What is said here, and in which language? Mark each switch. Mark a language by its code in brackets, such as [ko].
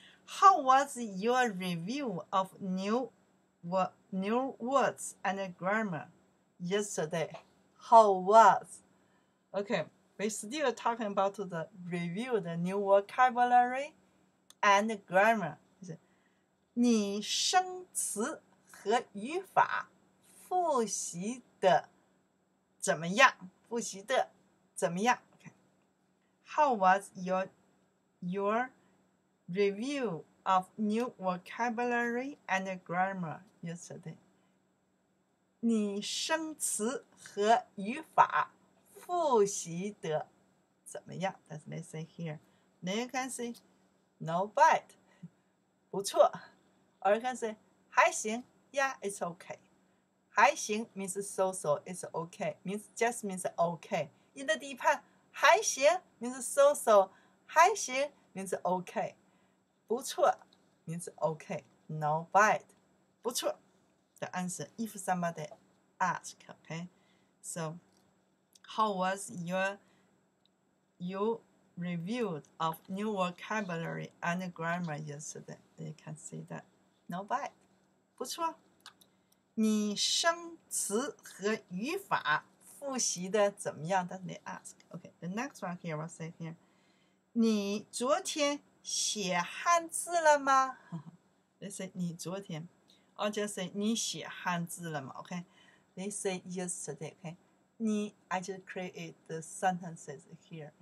[en] How was your review of new words and grammar yesterday? How was? Okay, we still talking about the review the new vocabulary and grammar. [zh] 你生词和语法复习的怎么样？复习的怎么样 ？ [en] Okay. How was your review of new vocabulary and grammar yesterday? [zh] 你生词和语法复习的怎么样 ？ [en] That's what they say here. Then you can say, "Not bad." [zh] 不错。 [en] Or you can say, [zh] 还行, [en] yeah, it's okay. [zh] 还行 [en] means so-so, it's okay. Means, just means okay. In the deep end, [zh] 还行 [en] means so-so, 还行 means okay. [zh] 不错 [en] means okay. No bad. 不错 The answer, if somebody ask, okay? So, how was your review of new vocabulary and grammar yesterday? You can see that. No bad. [zh] 不错。你生词和语法复习的怎么样? [en] That's they ask. Okay, the next one here, what's it here? [zh] 你昨天写汉字了吗? [en] They say, [zh] 你昨天。 [en] Or just say, [zh] 你写汉字了吗? [en] Okay, they say yesterday. Okay, [zh] 你, [en] I just create the sentences here.